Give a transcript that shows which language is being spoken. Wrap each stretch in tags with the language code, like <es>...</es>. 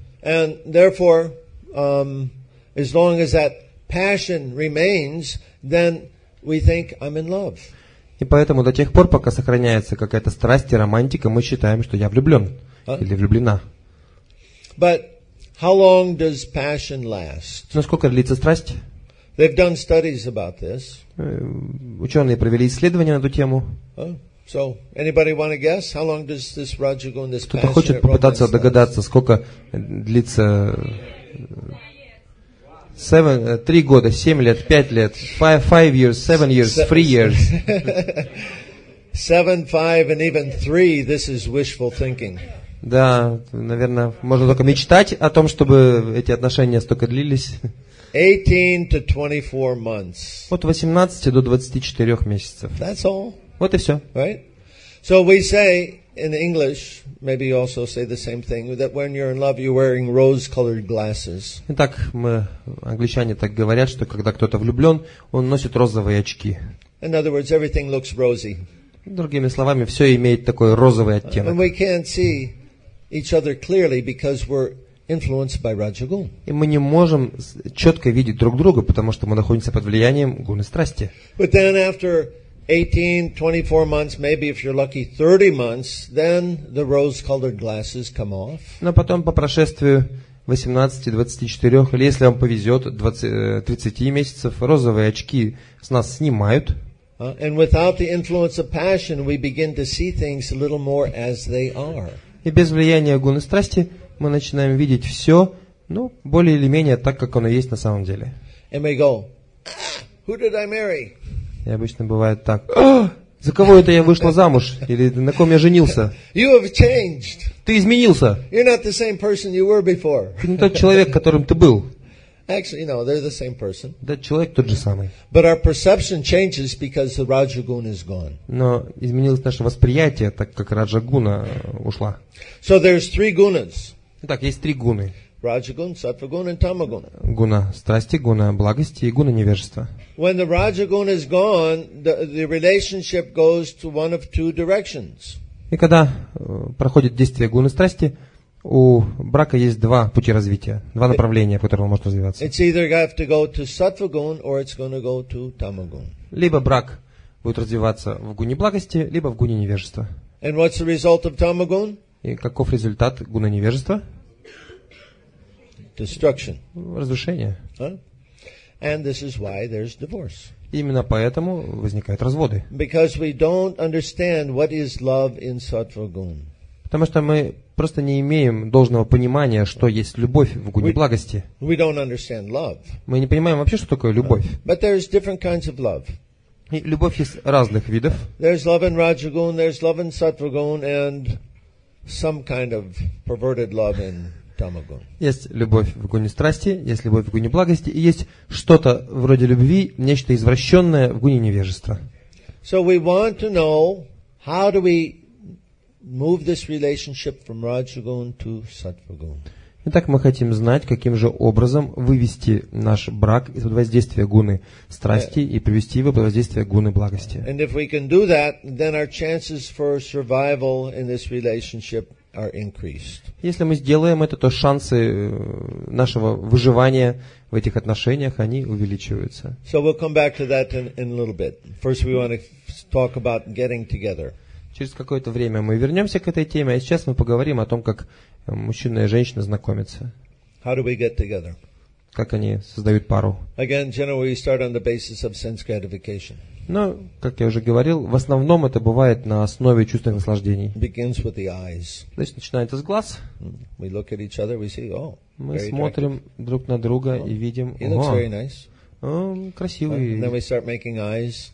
<en>And therefore, as long as that passion remains, then we think I'm in love.</en> <ru>И поэтому до тех пор, пока сохраняется какая-то страсть и романтика, мы считаем, что я влюблен или влюблена.</ru> <en>But how long does passion last?</en> <ru>Насколько длится страсть?</ru> <en>They've done studies about this.</en> <ru>Ученые провели исследования на эту тему.</ru> <en>So anybody want to guess how long does this Rajagun, this passion?</en> <ru>Кто-то хочет попытаться догадаться, сколько длится? Три года, 7 лет, 5 лет,</ru> <en>five years, 7 years, 3 years. Seven, five, and even three. This is wishful thinking.</en> <ru>Да, наверное, можно только мечтать о том, чтобы эти отношения столько длились.</ru> <en>18 to 24 months.</en> <ru>От 18 до 24 месяцев.</ru> <en>That's all.</en> <ru>Вот и все.</ru> <en>Right? So we say in English, maybe you also say the same thing, that when you're in love, you're wearing rose-colored glasses.</en> <ru>Итак, мы, англичане, так говорят, что когда кто-то влюблен, он носит розовые очки.</ru> <en>In other words, everything looks rosy.</en> <ru>Другими словами, все имеет такой розовый оттенок.</ru> <en>And we can't see each other clearly because we're influenced by Rajagun.</en> <ru>И мы не можем четко видеть друг друга, потому что мы находимся под влиянием гуны страсти.</ru> <en>But then after 18, 24 months, maybe if you're lucky, 30 months, then the rose-colored glasses come off.</en> <ru>Но потом по прошествию 18-24, или если вам повезет, 30 месяцев, розовые очки с нас снимают.</ru> <en>And without the influence of passion, we begin to see things a little more as they are.</en> <ru>И без влияния гуны страсти мы начинаем видеть все, ну, более или менее так, как оно есть на самом деле.</ru> <en>And we go, who did I marry?</en> <ru>И обычно бывает так, за кого это я вышла замуж? Или на ком я женился?</ru> <en>You have changed.</en> <ru>Ты изменился.</ru> <en>You're not the same person you were before.</en> <ru>Ты не тот человек, которым ты был.</ru> <en>Actually, no, they're the same person.</en> <ru>Да, человек тот же самый.</ru> <en>But our perception changes because the Rajagun is gone.</en> <ru>Но изменилось наше восприятие, так как Раджагуна ушла.</ru> <en>So there's three gunas.</en> <ru>Итак, есть три гуны. Раджагун, саттвагун и тамагун. Гуна страсти, гуна благости и гуна невежества.</ru> <en>When the Rajagun is gone, the relationship goes to one of two directions.</en> <ru>И когда проходит действие гуны страсти, у брака есть два пути развития, два направления, по которым он может развиваться.</ru> <en>It's either going to go to sattvagun or it's going to go to tamagun.</en> <ru>Либо брак будет развиваться в гуне благости, либо в гуне невежества.</ru> <en>And what's the result of tamagun?</en> <ru>И каков результат гуны невежества?</ru> <en>Destruction.</en> <ru>Разрушение.</ru> <en>Huh? And this is why there's divorce.</en> <ru>Именно поэтому возникают разводы.</ru> <en>Because we don't understand what is love in sattvagun.</en> <ru>Потому что мы просто не имеем должного понимания, что есть любовь в гуне благости.</ru> <en>We don't understand love.</en> <ru>Мы не понимаем вообще, что такое любовь.</ru> <en>But there's different kinds of love.</en> <ru>И любовь есть разных видов.</ru> <en>There's love in Rajagun, there's love in Sattvagun, and some kind of perverted love in Tamagun.</en> <ru>Есть любовь в гуне страсти, есть любовь в гуне благости, и есть что-то вроде любви, нечто извращенное в гуне невежества.</ru> <en>So we want to know, how do we move this relationship from Rajagun to Sattvagun.</en> <ru>Итак, мы хотим знать, каким же образом вывести наш брак из-под воздействия гуны страсти и привести его под воздействие гуны благости.</ru> <en>And if we can do that, then our chances for survival in this relationship are increased.</en> <ru>Если мы сделаем это, то шансы нашего выживания в этих отношениях, они увеличиваются.</ru> <en>So we'll come back to that in a little bit. First we want to talk about getting together.</en> <ru>Через какое-то время мы вернемся к этой теме, а сейчас мы поговорим о том, как мужчина и женщина знакомятся.</ru> <en>How do we get together?</en> <ru>Как они создают пару?</ru> <en>Again, generally we start on the basis of sense gratification.</en> <ru>Но, как я уже говорил, в основном это бывает на основе чувственных наслаждений.</ru> <en>Begins with the eyes.</en> <ru>То есть начинается с глаз.</ru> <en>We look at each other, we see, oh,</en> <ru>мы смотрим</ru> <en>attractive.</en> <ru>Друг на друга и видим, ого,</ru> <en>he looks very nice.</en> <ru>Красивый.</ru> <en>And then we start making eyes.</en>